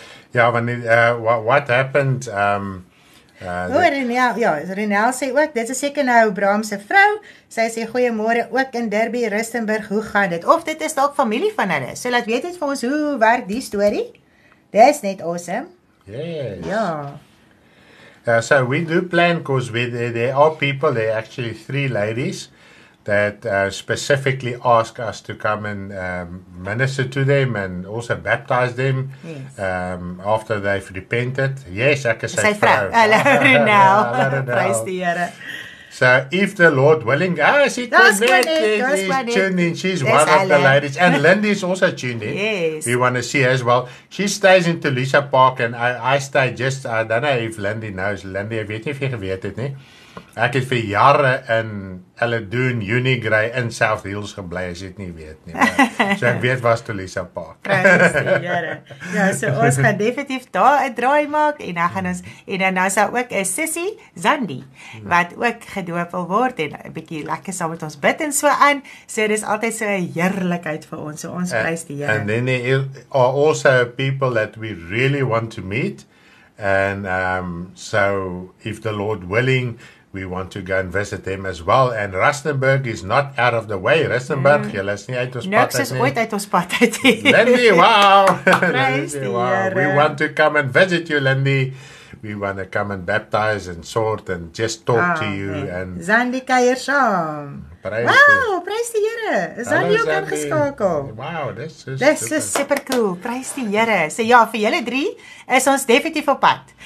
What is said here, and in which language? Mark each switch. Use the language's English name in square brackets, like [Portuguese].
[Afrikaans] Ja, wanneer [English] what happened [Afrikaans] Renel sê ook dit is seker nou Abraham se vrou. Sy sê goeiemôre ook in Derby Rustenburg. Hoe gaan dit? Of dit is dalk familie van hulle. So laat weet dit vir ons hoe werk die storie? [English] That's net awesome. Yes. [Afrikaans] Ja. [English] So we do plan because there are people, there are actually three ladies that specifically ask us to come and minister to them and also baptize them yes. After they've repented. Yes, I can say vrou. Hello, praise the Here. So if the Lord willing, she tuned in, she's that's one of Ellen. The ladies, and Lindy is also tuned in, yes. We want to see her as well. She stays in Tulisa Park, and I stay just, I don't know if Lindy knows, Lindy, I don't know if you know it, [Afrikaans] ek het vir jare in Aledoon, Unigray, in South Hills geblei, as jy het nie weet nie. Maar, so ek weet was Tulisa Park. Ja, so ons gaan definitief daar 'n draai maak, en dan gaan ons, en dan is daar ook 'n sissy, Zandi, wat ook gedoop wil word, en 'n bietjie lekker saam met ons bid en so aan, so dit is altyd so 'n heerlikheid vir ons, so ons prys die Here. [English] And then there are also people that we really want to meet, and so if the Lord willing, we want to go and visit them as well. And Rustenburg is not out of the way. [Afrikaans] Rustenburg, jylle is nie uit ons pad uit nie. Niks is ooit uit ons pad uit nie. [English] Lindy, wow! Lindy, wow. We want to come and visit you, Lindy. We want to come and baptize and sort and just talk to you. And [Afrikaans] Zandi kuier saam. Wow, prys die Here. Zandi ook ingeskakel. Wow, dis super. Dis super cool. Prys die Here. So ja, vir julle drie is ons definitief op pad.